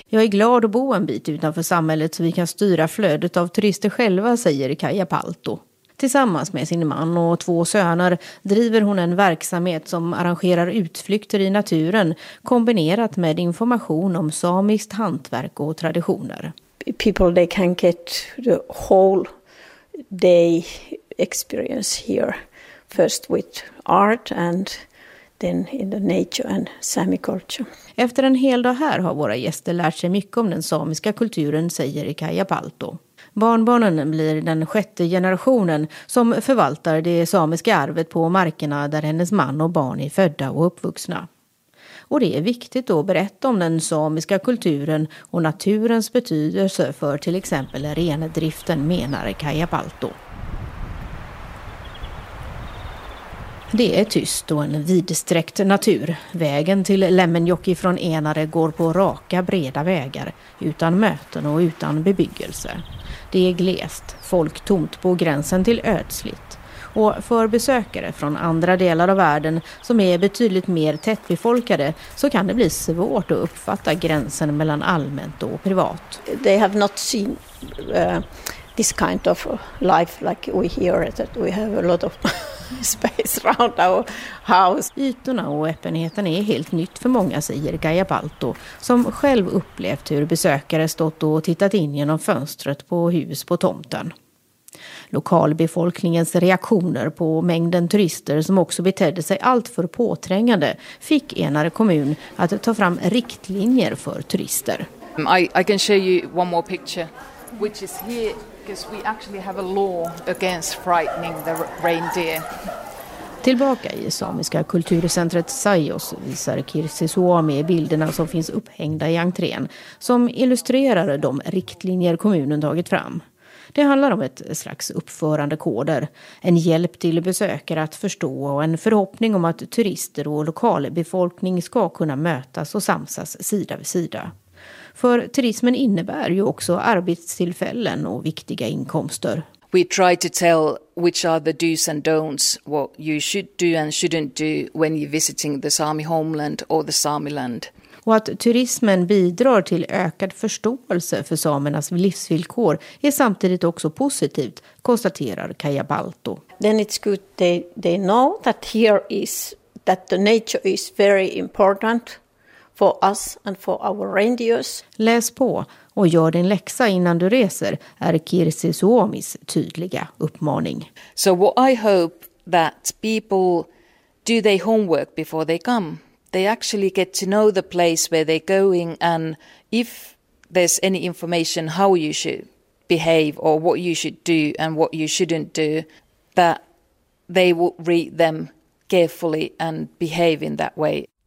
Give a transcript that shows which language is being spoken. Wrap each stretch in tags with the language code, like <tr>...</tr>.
<sv>Jag är glad att bo en bit utanför samhället så vi kan styra flödet av turister själva, säger Kaja Palto. Tillsammans med sin man och två söner driver hon en verksamhet som arrangerar utflykter i naturen kombinerat med information om samiskt hantverk och traditioner.</sv> <en>People, they can get the whole day experience here. First with art and then in the nature and Sami culture.</en> <sv>Efter en hel dag här har våra gäster lärt sig mycket om den samiska kulturen, säger Kaija Palto. Barnbarnen blir den sjätte generationen som förvaltar det samiska arvet på markerna där hennes man och barn är födda och uppvuxna. Och det är viktigt att berätta om den samiska kulturen och naturens betydelse för till exempel renedriften, menar Kaija Palto. Det är tyst och en vidsträckt natur. Vägen till Lemmenjoki från Enare går på raka, breda vägar, utan möten och utan bebyggelse. Det är glest, folktomt på gränsen till ödsligt. Och för besökare från andra delar av världen som är betydligt mer tättbefolkade så kan det bli svårt att uppfatta gränsen mellan allmänt och privat.</sv> <en>They have not seen this kind of life like we hear it, that we have a lot of space around our house.</en> <sv>Ytorna och öppenheten är helt nytt för många, säger Kaija Palto, som själv upplevt hur besökare stått och tittat in genom fönstret på hus på tomten. Lokalbefolkningens reaktioner på mängden turister som också betedde sig allt för påträngande fick Enare kommun att ta fram riktlinjer för turister.</sv> <en>I can show you one more picture, which is here. We actually have a law against frightening the reindeer.</en> <sv>Tillbaka i samiska kulturcentret Sajos visar Kirsi Suomi bilderna som finns upphängda i entrén som illustrerar de riktlinjer kommunen tagit fram. Det handlar om ett slags uppförandekoder, en hjälp till besökare att förstå och en förhoppning om att turister och lokalbefolkning ska kunna mötas och samsas sida vid sida. För turismen innebär ju också arbetstillfällen och viktiga inkomster.</sv> <en>We try to tell which are the do's and don'ts, what you should do and shouldn't do when you're visiting the Sami homeland or the Sami land.</en> <sv>Och att turismen bidrar till ökad förståelse för samernas livsvillkor är samtidigt också positivt, konstaterar Kaija Palto.</sv> <en>Then it's good they know that here is that the nature is very important. For us and for our reindeers.</en> <sv>Läs på och gör din läxa innan du reser, är Kirsi Suomis tydliga uppmaning.</sv> <en>So what I hope that people do their homework before they come. They actually get to know the place where they're going and if there's any information how you should behave or what you should do and what you shouldn't do, that they will read them carefully and behave in that way.</en>